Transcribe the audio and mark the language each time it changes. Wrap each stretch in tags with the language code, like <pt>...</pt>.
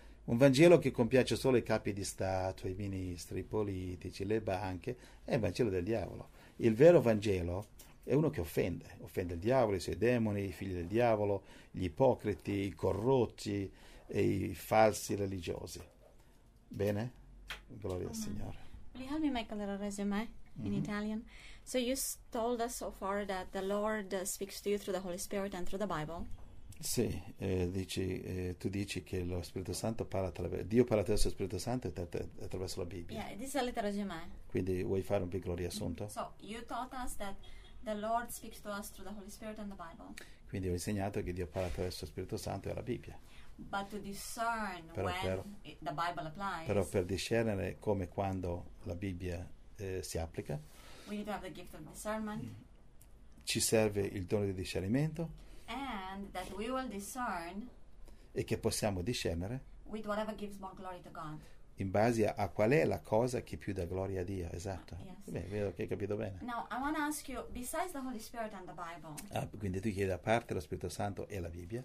<it>Un Vangelo che compiace solo i capi di Stato, i ministri, i politici, le banche, è il Vangelo del diavolo. Il vero Vangelo è uno che offende. Offende il diavolo, i suoi demoni, i figli del diavolo, gli ipocriti, i corrotti e i falsi religiosi. Bene? Gloria al Signore.</it> <en>Will you help me make a little resume in Italian? So you told us so far that the Lord speaks to you through the Holy Spirit and through the Bible.</en> <it>Sì, tu dici che lo Spirito Santo parla attraverso Dio, parla attraverso lo Spirito Santo e attraverso la Bibbia.</it> <en>Yeah, this is a little resume.</en> <it>Quindi vuoi fare un piccolo riassunto?</it> <en>So you taught us that the Lord speaks to us through the Holy Spirit and the Bible.</en> <it>Quindi ho insegnato che Dio parla attraverso lo Spirito Santo e la Bibbia.</it> <en>But to discern</en> <it>Però</it> <en>when the Bible applies,</en> <it>per discernere come e quando la Bibbia si applica,</it> <en>we need to have the gift of discernment</en> <it>ci serve il dono di discernimento</it> <en>and that we will discern</en> <it>e che possiamo discernere</it> <en>with whatever gives more glory to God.</en> <it>in base a qual è la cosa che più dà gloria a Dio. Esatto.</it> <en>Yes.</en> <it>Beh, vedo che hai capito bene.</it> <en>Now, I want to ask you, besides the Holy Spirit and the Bible,</en> <it>Ah, quindi tu chiedi a parte lo Spirito Santo e la Bibbia.</it>